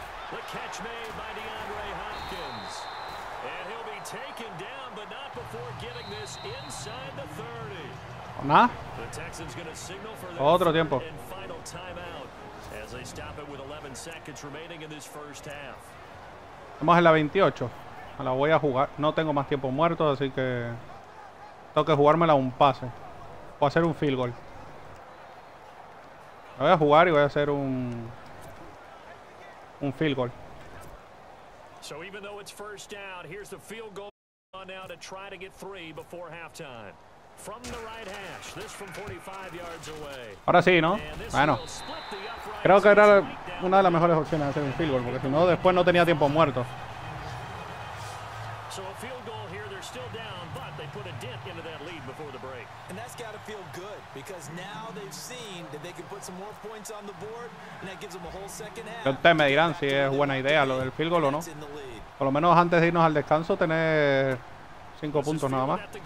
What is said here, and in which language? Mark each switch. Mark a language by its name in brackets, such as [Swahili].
[English] The catch made by DeAndre Hopkins. And he'll be taken down, but not before getting this inside the 30. Nah. The Texans gonna signal for [Spanish] otro tiempo. [English] And final timeout as they stop it with 11 seconds remaining in this first half. [Spanish] Estamos en la 28. La voy a jugar. No tengo más tiempo muerto, así que tengo que jugármela un pase. Voy a hacer un field goal. La voy a jugar y voy a hacer un field goal. [English] So even though it's first down, here's the field goal now to try to get three before halftime. From the right hash, this from 45 yards away. [Spanish] Ahora sí, ¿no? Bueno. Creo que era una de las mejores opciones de hacer un field goal, porque si no, después no tenía tiempo muerto. [English] So a field goal here, they're still down, but they put a dent into that lead before the break. And that's got to feel good, because now they've seen that they can put some more points on the board, and that gives them a whole second half. [Spanish] Ustedes me dirán si es buena idea lo del field goal o no. Por lo menos antes de irnos al descanso, tener 5 puntos nada más.